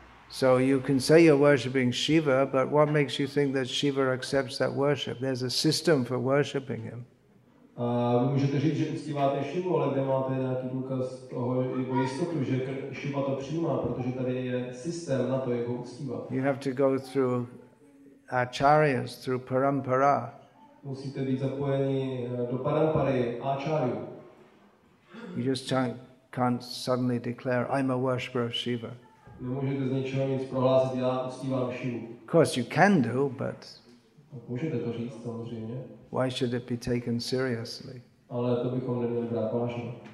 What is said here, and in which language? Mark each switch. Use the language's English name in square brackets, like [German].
[English] So you can say you're worshipping Shiva, but what makes you think that Shiva accepts that worship? There's a system for worshipping him. [Czech] A vy můžete říct, že uctíváte Shivu, ale kde máte nějaký důkaz toho jeho jistotu, že Shiva to přijímá, protože tady je systém na to jeho uctívat. [English] You have to go through acharyas, through parampara. [Czech] Musíte být zapojeni do parampary acharyů. [English] You just can't suddenly declare, I'm a worshipper of Shiva. [Czech] Nemůžete z ničeho nic prohlásit, já uctívám Shivu. [English] Of course you can do, but [Czech] můžete to říct samozřejmě. [English] Why should it be taken seriously? [Czech] Ale to bychom neměli brát vážně.